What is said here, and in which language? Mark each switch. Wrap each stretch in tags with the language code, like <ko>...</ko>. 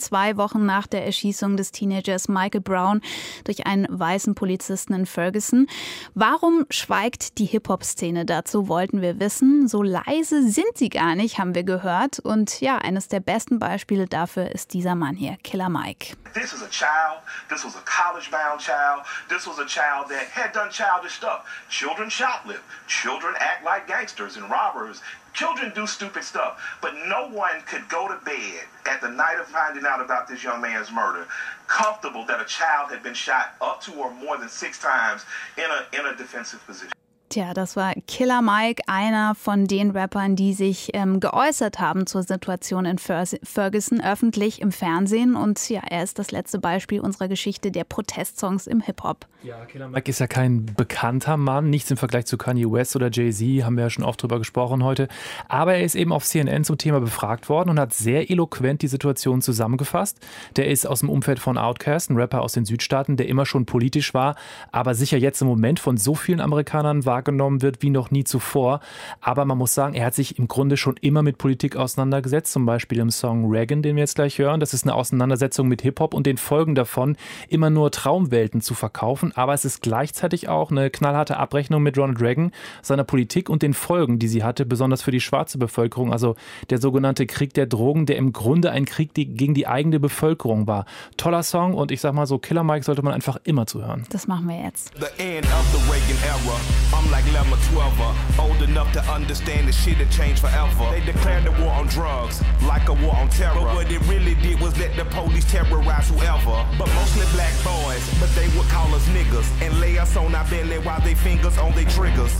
<de>2 Wochen nach der Erschießung des Teenagers Michael Brown durch einen weißen Polizisten in Ferguson. Warum schweigt die Hip-Hop-Szene? Dazu wollten wir wissen. So leise sind sie gar nicht, haben wir gehört. Und ja, eines der besten Beispiele dafür ist dieser Mann hier, Killer Mike.</de> <en>This was a child, this was a college-bound child, this was a child that had done childish stuff. Children shoplift, children act like gangsters and robbers, children do stupid stuff, but no one could go to bed at the night of finding out about this young man's murder comfortable that a child had been shot up to or more than 6 times in a defensive position.</en> <de>Tja, das war Killer Mike, einer von den Rappern, die sich geäußert haben zur Situation in Ferguson öffentlich im Fernsehen. Und ja, er ist das letzte Beispiel unserer Geschichte der Protestsongs im Hip-Hop. Ja, Killer Mike ist ja kein bekannter Mann, nichts im Vergleich zu Kanye West oder Jay-Z, haben wir ja schon oft drüber gesprochen heute. Aber er ist eben auf CNN zum Thema befragt worden und hat sehr eloquent die Situation zusammengefasst. Der ist aus dem Umfeld von Outkast, ein Rapper aus den Südstaaten, der immer schon politisch war, aber sicher jetzt im Moment von so vielen Amerikanern wahrgenommen wird wie noch nie zuvor. Aber man muss sagen, er hat sich im Grunde schon immer mit Politik auseinandergesetzt, zum Beispiel im Song Reagan, den wir jetzt gleich hören. Das ist eine Auseinandersetzung mit Hip-Hop und den Folgen davon, immer nur Traumwelten zu verkaufen. Aber es ist gleichzeitig auch eine knallharte Abrechnung mit Ronald Reagan, seiner Politik und den Folgen, die sie hatte, besonders für die schwarze Bevölkerung. Also der sogenannte Krieg der Drogen, der im Grunde ein Krieg gegen die eigene Bevölkerung war. Toller Song und ich sag mal so, Killer Mike sollte man einfach immer zuhören. Das machen wir jetzt.</de> <en>The end of the Reagan era. I'm like Lemma 12er, old enough to understand that shit had changed forever. They declared the war on drugs, like a war on terror. But what it really did was let the police terrorize whoever. But mostly black boys, but they would call us niggas. And lay us on our belly while they fingers on their triggers.</en>